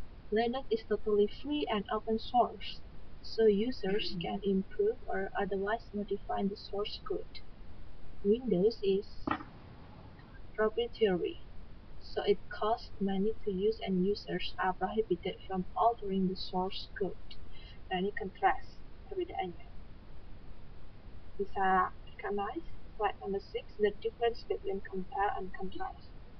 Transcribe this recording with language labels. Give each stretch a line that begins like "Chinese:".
English: Linux is totally free and open source, so users can improve or otherwise modify the source code. Windows is proprietary, so it costs money to use and users are prohibited from altering the source code.
Indonesian: Nah, ini contrast perbedaannya. Bisa
English: recognize slide number 6, the difference between compare and contrast.